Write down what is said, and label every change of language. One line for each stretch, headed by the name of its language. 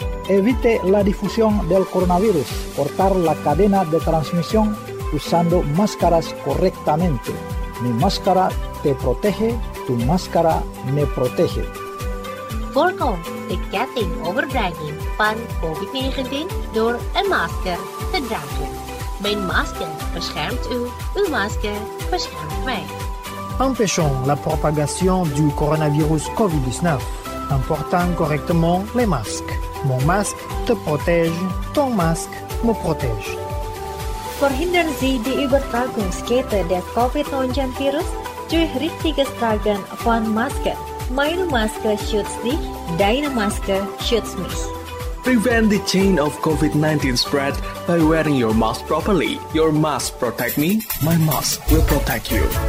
Spanish: Evite la difusión del coronavirus. Cortar la cadena de transmisión usando máscaras correctamente. Mi máscara te protege, tu máscara me protege.
Dutch: Voorkom de ketting overdragging van COVID-19 door een masker te dragen. Mijn masker beschermt u, uw masker beschermt mij.
French: Empêchons la propagation du coronavirus COVID-19. En portant correctement les masques. Mon masque te protège, ton masque me protège.
German: Verhindern Sie die Übertragungskette des COVID-19-Virus durch richtiges Tragen von Masken. Meine Maske schützt dich, deine Maske schützt mich.
English: Prevent the chain of COVID-19 spread by wearing your mask properly. Your mask protect me, my mask will protect you.